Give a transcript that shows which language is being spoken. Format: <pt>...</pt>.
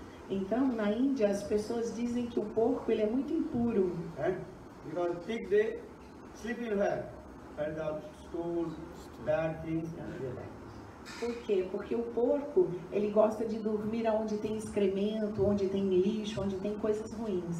<pt>Então, na Índia, as pessoas dizem que o porco ele é muito impuro.</pt> <en>Because pig, they sleep in where? And the stools, bad things, and they like.</en> <pt>Por quê? Porque o porco, ele gosta de dormir onde tem excremento, onde tem lixo, onde tem coisas ruins.</pt>